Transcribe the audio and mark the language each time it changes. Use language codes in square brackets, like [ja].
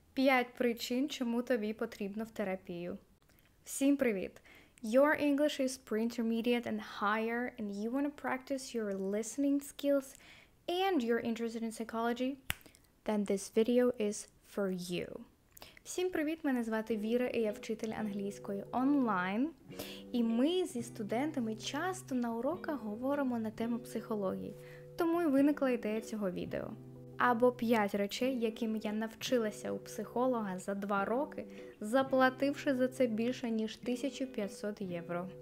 [uk] П'ять причин, чому тобі потрібно в терапію. Всім привіт! [en] Your English is pre-intermediate and higher, and you want to practice your listening skills and you're interested in psychology? Then this video is for you. [uk] Всім привіт! Мене звати Віра, і я вчитель англійської онлайн. І ми зі студентами часто на уроках говоримо на тему психології, тому і виникла ідея цього відео. Або 5 речей, яким я навчилася у психолога за 2 роки, заплативши за це більше, ніж 1500 євро.